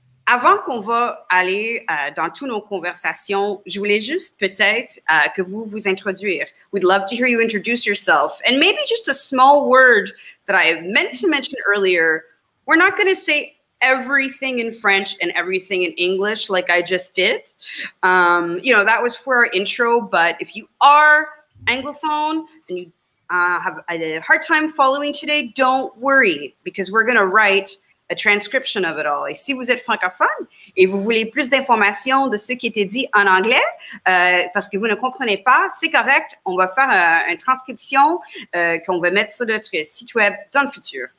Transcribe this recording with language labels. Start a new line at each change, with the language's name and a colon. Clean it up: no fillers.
French: Avant qu'on va aller dans toutes nos conversations, je voulais juste peut-être que vous vous introduire.
English: We'd love to hear you introduce yourself. And maybe just a small word that I meant to mention earlier. We're not going to say everything in French and everything in English like I just did. You know, that was for our intro. But if you are anglophone and you have a hard time following today, don't worry, because we're going to write a transcription of it all.
French: Et si vous êtes francophone et vous voulez plus d'informations de ce qui était dit en anglais, parce que vous ne comprenez pas, c'est correct, on va faire une transcription qu'on va mettre sur notre site web dans le futur.